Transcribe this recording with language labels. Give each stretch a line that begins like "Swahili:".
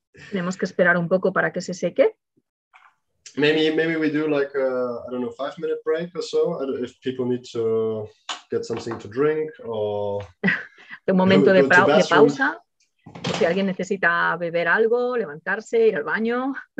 Spanish: Tenemos que esperar un poco para que se seque.
English: Maybe we do like a, I don't know, 5 minute break or so, if people need to get something to drink or
Spanish: un momento de pausa. O si alguien necesita beber algo, levantarse, ir al baño.